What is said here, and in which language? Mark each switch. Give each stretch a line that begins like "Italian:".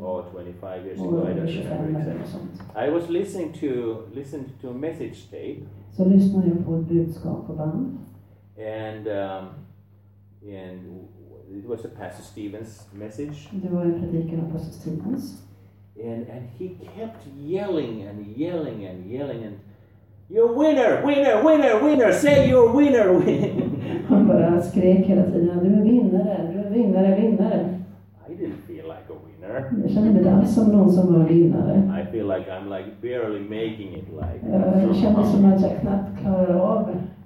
English: Or 25 years ago, I don't remember exactly. I was listening to a message tape.
Swedish: Så lyssnade jag på ett budskap på band.
English: And it was a Pastor Stevens message.
Swedish: Det var en predikan av Pastor Stevens.
English: And he kept yelling and yelling and yelling and you're winner, winner, winner, winner, say you're winner, winner.
Swedish: Han bara skrek hela tiden, du är vinnare, du är vinnare, vinnare.
English: I didn't feel like a winner.
Swedish: Jag kände mig alls som någon som var vinnare.
English: I feel like I'm like barely making it like.
Swedish: Jag kände som att jag knappt klarade av.